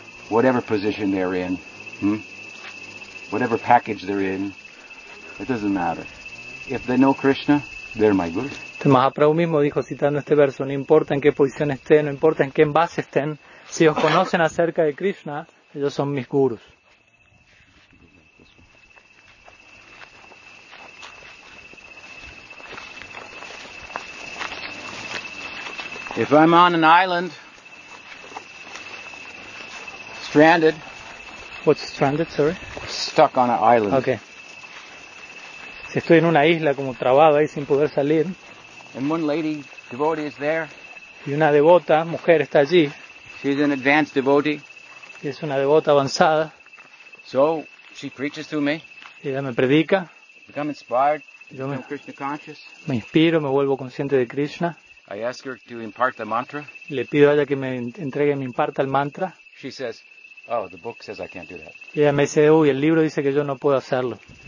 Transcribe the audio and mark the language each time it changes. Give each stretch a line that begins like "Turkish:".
English: Whatever position they're in, whatever package they're in, it doesn't matter. If they know Krishna, they're my guru.
Spanish: Mahaprabhu mismo dijo, citando este verso, no importa en qué posición estén, no importa en qué envase estén, si os conocen acerca de Krishna, ellos son mis gurus.
English: If I'm on an island, stranded. What's stranded, sorry? Stuck on an island. Okay.
Spanish: Si estoy en una isla como trabado ahí sin poder salir.
English: And one lady devotee is there.
Spanish: Y una devota, mujer, está allí.
English: She's an advanced devotee.
Spanish: Es una devota avanzada.
English: So she preaches to me.
Spanish: Ella me predica.
English: Become inspired.
Spanish: Yo me,
English: Krishna conscious.
Spanish: Me inspiro, me vuelvo consciente de Krishna.
English: I ask her to impart the mantra.
Spanish: Le pido a ella que me entregue, me imparta el mantra.
English: She says, "Oh, the book says I can't do that."
Spanish: Y ella me dice, "Uy, el libro dice que yo no puedo hacerlo."